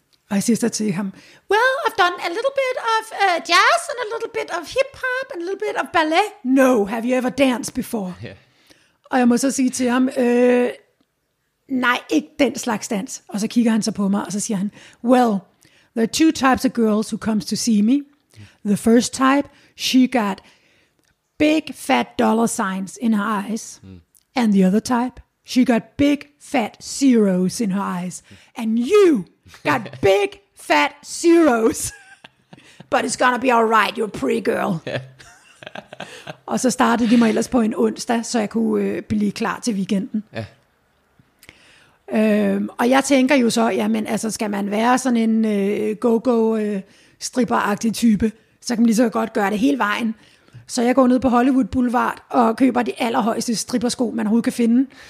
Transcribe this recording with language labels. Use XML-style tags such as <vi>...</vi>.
<da>Og jeg siger så til ham,</da> <en>well, I've done a little bit of jazz, and a little bit of hip-hop, and a little bit of ballet. No, have you ever danced before? Yeah.</en> <da>Og jeg må så sige til ham, nej, ikke den slags dans. Og så kigger han så på mig, og så siger han,</da> <en>well, there are two types of girls who comes to see me. The first type, she got big fat dollar signs in her eyes. And the other type, she got big fat zeros in her eyes. And you got big fat zeros. But it's gonna be all right, you're a pretty girl.</en> <da>Og så startede de mig ellers på en onsdag, så jeg kunne blive klar til weekenden. Ja. Og jeg tænker jo så, jamen altså, skal man være sådan en go-go-stripper-agtig type, så kan man lige så godt gøre det hele vejen. Så jeg går ned på Hollywood Boulevard og køber de allerhøjeste strippersko, man overhovedet kan finde.</da>